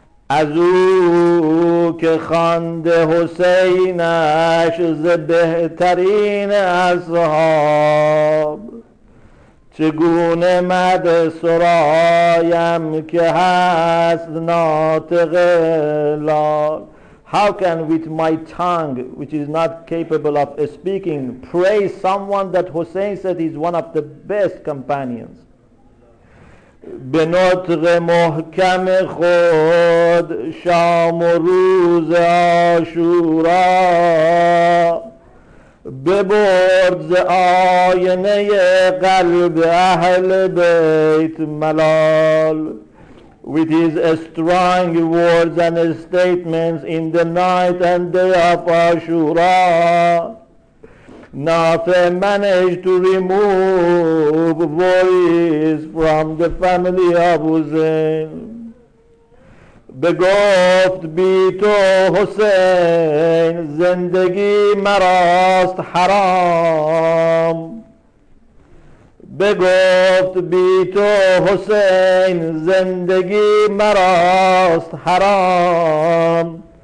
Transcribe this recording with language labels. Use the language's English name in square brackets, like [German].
[Persian] از او که خاند حسینش ز بهترین اصحاب چگونه مد سرایم که هست ناطق لال. [English] How can with my tongue, which is not capable of speaking, praise someone that Hussein said is one of the best companions? [Persian] به نطق محکم خود شام و روز عاشورا ببرد ز آینه قلب اهل بیت ملال. [English] With his strong words and statements in the night and day of Ashura, Nafi managed to remove worries from the family of Hussein. [Persian] بگفت بی تو حسین زندگی مراست حرام. بگفت بی تو حسین زندگی مراست حرام.